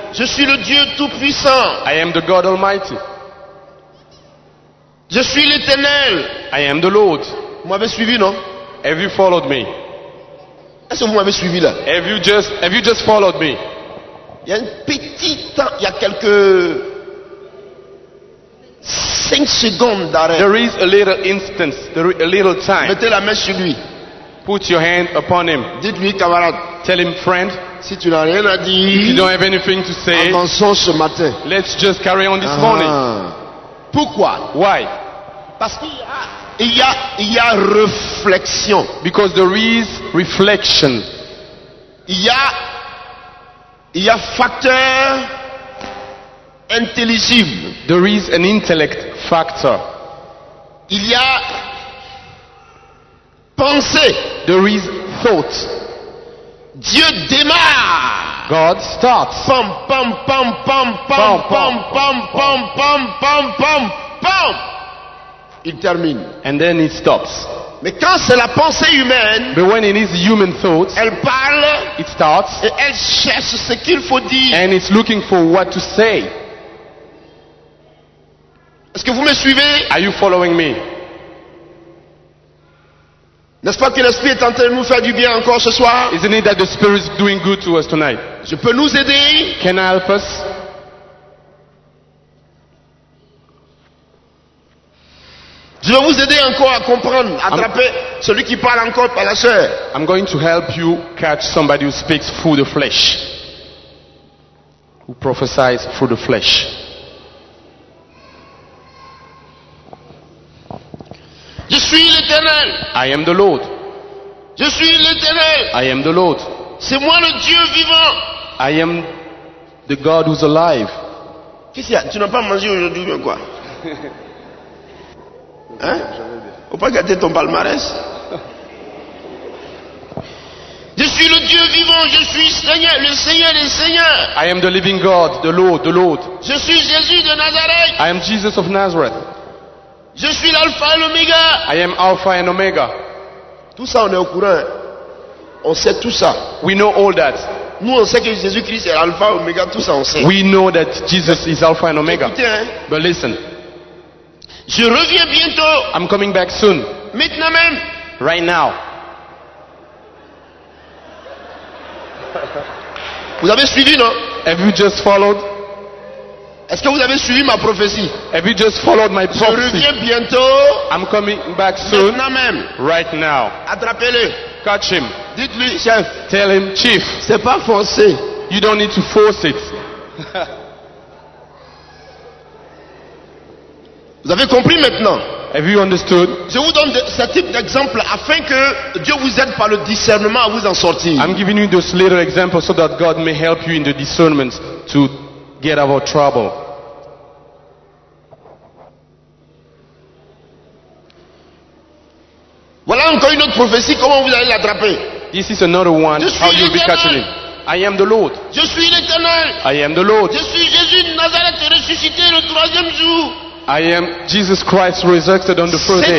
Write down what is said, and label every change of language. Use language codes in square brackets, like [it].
[fr] Je suis le Dieu Tout-Puissant. [en] I am the God Almighty. [fr] Je suis l'Éternel. [en] I am the Lord. [fr] Vous m'avez suivi, non? [en] Have you followed me? [fr] Est-ce que vous m'avez suivi là? [en] Have you just followed me? [fr] Il y a un petit temps, il y a quelques 5 secondes d'arrêt. [en] There is a little instance, a little time. [fr] Mettez la main sur lui. [en] Put your hand upon him. [fr] Dites-lui, camarade. [en] Tell him, friend. [fr] Si tu n'as rien à dire. [en] If you don't have anything to say. [fr] Avançons ce matin. [en] Let's just carry on this morning. [fr] Pourquoi? [en] Why? [fr] Parce qu'il y a. Il y a réflexion. [en] Because there is reflection. [fr] Il y a facteur intelligible. [en] There is an intellect factor. [fr] Il y a pensée. [en] There is thought. [fr] Dieu démarre. [en] God starts. Pam pam pam pam pam pam pam pam pam pam pam pam. [fr] Il termine. [en] And then it stops. [fr] Mais quand c'est la pensée humaine, [en] but when it is human thought, [fr] elle parle, [en] it starts, [fr] et elle cherche ce qu'il faut dire, [en] and it's looking for what to say. [fr] Est-ce que vous me suivez? [en] Are you following me? [fr] N'est-ce pas que l'Esprit est en train de nous faire du bien encore ce soir? [en] Isn't it that the Spirit is doing good to us tonight? [fr] Je peux nous aider? [en] Can I help us? [fr] Je vais vous aider encore à comprendre, à attraper celui qui parle encore par la chair. [en] I'm going to help you catch somebody who speaks through the flesh, who prophesies through the flesh. [fr] Je suis l'Éternel. [en] I am the Lord. [fr] Je suis l'Éternel. [en] I am the Lord. [fr] C'est moi le Dieu vivant. [en] I am the God who's alive. [fr] Qu'est-ce qu'il y a? Tu n'as pas mangé aujourd'hui ou quoi? Hein? Faut pas gâter ton palmarès. Je suis le Dieu vivant, je suis Seigneur, le Seigneur, le Seigneur. [en] I am the living God, the Lord, the Lord. [fr] Je suis Jésus de Nazareth. [en] I am Jesus of Nazareth. [fr] Je suis l'Alpha et l'Oméga. [en] I am Alpha and Omega. [fr] Tout ça, on est au courant. On sait tout ça. [en] We know all that. [fr] Nous, on sait que Jésus-Christ est Alpha, Omega, tout ça, on sait. [en] We know that Jesus is Alpha and Omega. [fr] Écoutez, hein? [en] But listen. [fr] Je reviens bientôt. [en] I'm coming back soon. [fr] Maintenant même. [en] Right now. [fr] Vous avez suivi, non? [en] Have you just followed? [fr] Est-ce que vous avez suivi ma prophétie? [en] Have you just followed my prophecy? [fr] Je reviens bientôt. [en] I'm coming back soon. [fr] Maintenant même. [en] Right now. [fr] Attrapez-le. [en] Catch him. [fr] Dites-lui, chef. [en] Tell him, chief. [fr] C'est pas forcé. [en] You don't need to force it. [fr] Vous avez compris maintenant? [en] Have you understood? [fr] Je vous donne ce type d'exemple afin que Dieu vous aide par le discernement à vous en sortir. [en] I'm giving you this little example so that God may help you in the discernment to get out of trouble. [fr] Voilà encore une autre prophétie. Comment vous allez l'attraper? [en] This is another one. How you'll be catching it? I am the Lord. [fr] Je suis l'Éternel. [en] I am the Lord. [fr] Je suis Jésus de Nazareth ressuscité le troisième jour. [en] I am Jesus Christ resurrected on the first day.